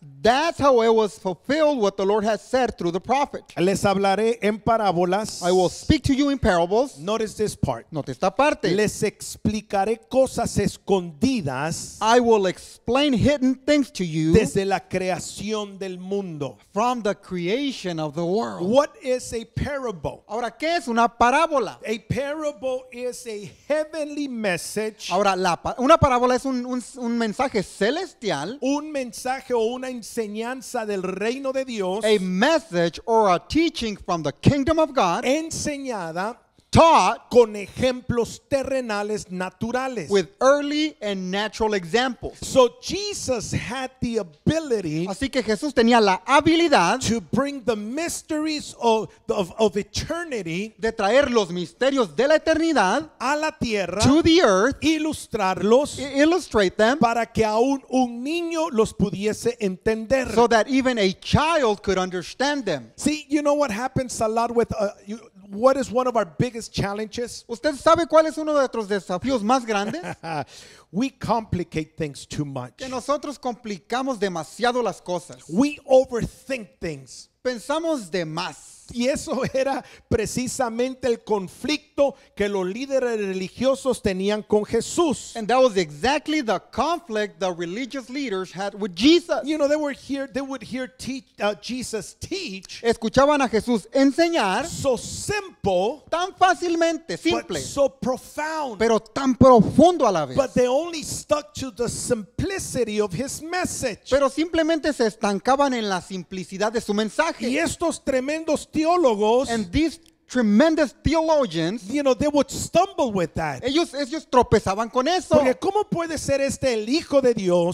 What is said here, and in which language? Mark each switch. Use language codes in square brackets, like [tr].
[en] That's how it was fulfilled what the Lord has said through the prophet. [es] Les hablaré en parábolas. [en] I will speak to you in parables. Notice this part. [es] Note esta parte. Les explicaré cosas escondidas. [en] I will explain hidden things to you. [es] Desde la creación del mundo. [en] From the creation of the world. What is a parable? [es] Ahora, ¿qué es una parábola? [en] A parable is a heavenly message. [es] Ahora, una parábola es un mensaje celestial. Un mensaje o una enseñanza del reino de Dios, [en] a message or a teaching from the kingdom of God, [es] enseñada, [en] taught, [es] con ejemplos terrenales naturales, [en] with early and natural examples. So Jesus had the ability, [es] así que Jesús tenía la habilidad, [en] to bring the mysteries of eternity, [es] de traer los misterios de la eternidad, a la tierra, [en] to the earth, [es] ilustrarlos, [en] illustrate them, [es] para que aún un niño los pudiese entender, [en] so that even a child could understand them. See, you know what happens a lot with what is one of our biggest challenges? [es] ¿Usted sabe cuál es uno de nuestros desafíos más grandes? [en] We complicate things too much. [es] Que nosotros complicamos demasiado las cosas. [en] We overthink things. [es] pensamos de más. Y eso era precisamente el conflicto que los líderes religiosos tenían con Jesús. [en] And that was exactly the conflict the religious leaders had with Jesus. You know, they would hear Jesus teach. [es] Escuchaban a Jesús enseñar. [en] So simple. [es] Tan fácilmente, simple. [en] But so profound. [es] Pero tan profundo a la vez. [en] But they only stuck to the simplicity of his message. [es] Pero simplemente se estancaban en la simplicidad de su mensaje. Y estos tremendos teólogos, [en] and these tremendous theologians, you know, they would stumble with that. [es] Ellos tropezaban con eso. Porque ¿cómo puede ser este el Hijo de Dios?